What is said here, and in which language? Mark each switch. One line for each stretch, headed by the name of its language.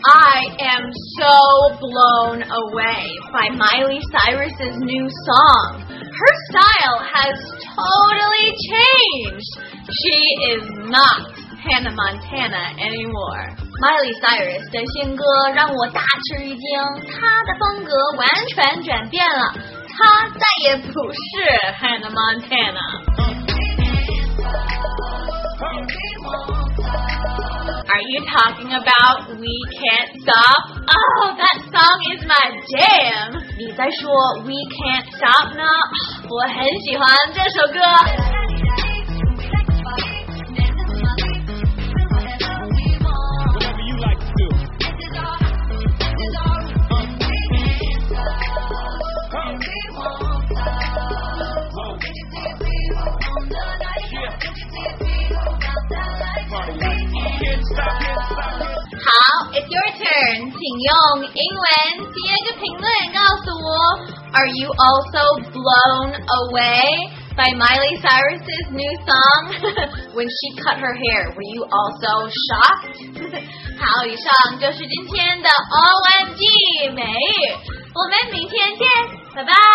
English: I am so blown away by Miley Cyrus's new song. Her style has totally changed. She is not Hannah Montana anymore.
Chinese: Miley Cyrus 的新歌让我大吃一惊，她的风格完全转变了，她再也不是 Hannah Montana。
English: Are you talking about We Can't Stop? Oh, that song is my jam.
Chinese: 你在说 We Can't Stop 呢？我很喜欢这首歌。用英文写个评论告诉我
English: Are you also blown away by Miley Cyrus's new song? When she cut her hair, were you also shocked?
Chinese: 好，以上就是今天的 OMG 美语，我们明天见，拜拜。